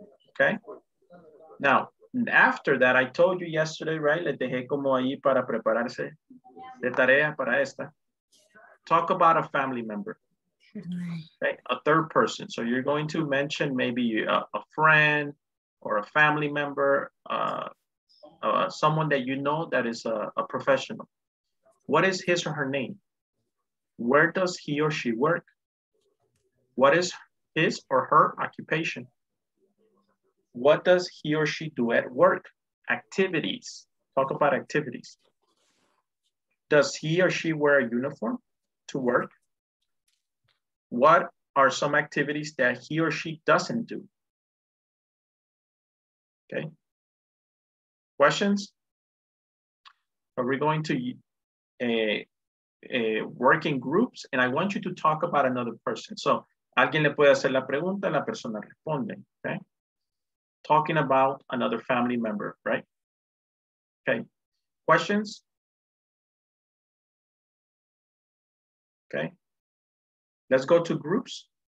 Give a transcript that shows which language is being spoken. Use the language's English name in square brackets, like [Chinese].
[English] Okay, now after that, I told you yesterday, right? [Spanish] Les dejé como ahí para prepararse de tarea para esta. [English] Talk about a family member, okay? A third person. So you're going to mention maybe a friend or a family member, someone that you know that is a professional. What is his or her name? Where does he or she work? What is his or her occupation? What does he or she do at work? Activities. Talk about activities. Does he or she wear a uniform to work? What are some activities that he or she doesn't do? Okay. Questions? Are we going to work in groups, and I want you to talk about another person. [Spanish] So, alguien le puede hacer la pregunta, la persona responde, okay? [English] Talking about another family member, right? Okay, questions? Okay, let's go to groups.